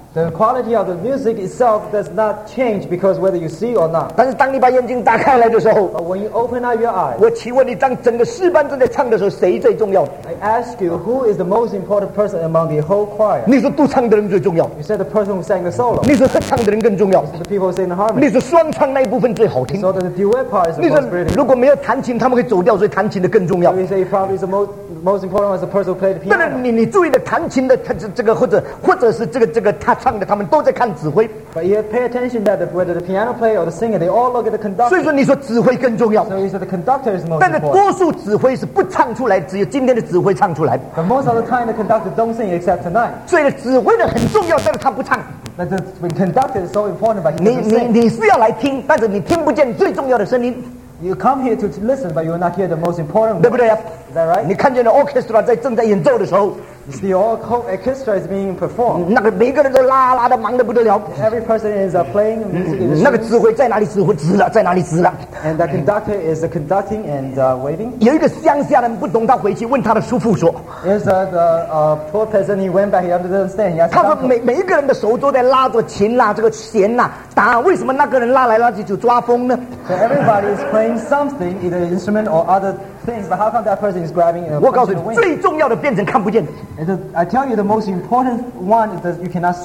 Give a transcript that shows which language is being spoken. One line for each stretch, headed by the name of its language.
English: The quality of the music itself does not change because whether you see or not.
Chinese: 但是当你把眼睛打开来的时候,
English: but when you open up your eyes,
Chinese: 我请问你，当整个诗班正在唱的时候，谁最重要？
English: I ask you, who is the most important person among the whole choir?
Chinese: 你是独唱的人最重要。
English: You said the person who sang the solo.
Chinese: 你是合唱的人更重要。
English: You said the people who sang the harmony.
Chinese: 你是双唱那一部分最好听。
English: So that the duet part is the most brilliant.
Chinese: 如果没有弹琴，他们会走调，所以弹琴的更重要。
English: You say probably the most important one is the person who played the piano.
Chinese: 但是你注意的弹琴的这个或者是这个 他唱的，他们都在看指挥。
English: But you pay attention that whether the piano player or the singer, they all look at the conductor.
Chinese: 所以说，你说指挥更重要。
English: So you said the conductor is most important.
Chinese: 但是多数指挥是不唱出来，只有今天的指挥唱出来。
English: But most of the time, the conductor don't sing except tonight.
Chinese: 所以指挥的很重要，但是他不唱。
English: But the conductor is so important, but he doesn't sing.
Chinese: 你是要来听，但是你听不见最重要的声音。
English: You come here to listen, but you will not hear the most important one.
Chinese: 对不对啊？
English: Is that right?
Chinese: 你看见了orchestra正在演奏的时候。
English: You see, all orchestra is being performed.
Chinese: 那个每个人都拉拉的忙得不得了。
English: Every person is playing music.
Chinese: 那个指挥在哪里指挥？指了，在哪里指了？
English: And the conductor is conducting and waving.
Chinese: 有一个乡下人不懂，他回去问他的叔父说。
English: There's a poor person. He went back. He understands.
Chinese: 他说每一个人的手都在拉着琴啦，这个弦啦，打。为什么那个人拉来拉去就抓风呢？
English: So everybody is playing something, either instrument or other things, but how come that person is grabbing a
Chinese: 我告诉你, 最重要的变成看不见的。
English: I tell you, the most important one is that you cannot see.